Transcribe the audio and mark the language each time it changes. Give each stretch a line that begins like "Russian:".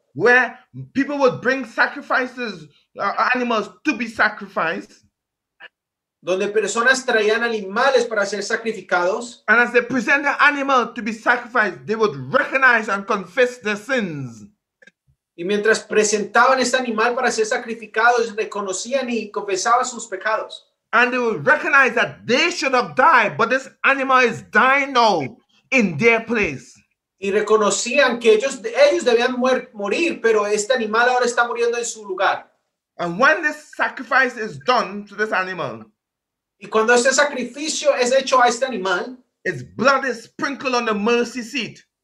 English: Where people would bring sacrifices, animals to be sacrificed.
Spanish: Donde personas traían animales para ser sacrificados.
English: And as they present the animal to be sacrificed, they would recognize and confess their sins.
Spanish: Y mientras presentaban este animal para ser sacrificados, reconocían y confesaban sus pecados.
English: And they would recognize that they should have died, but this animal is dying now in their place.
Spanish: Y reconocían que ellos debían morir, pero este animal ahora está muriendo en su lugar.
English: And when this sacrifice is done to this animal,
Spanish: y cuando este sacrificio es hecho a este animal,
English: its blood is sprinkled on the mercy seat.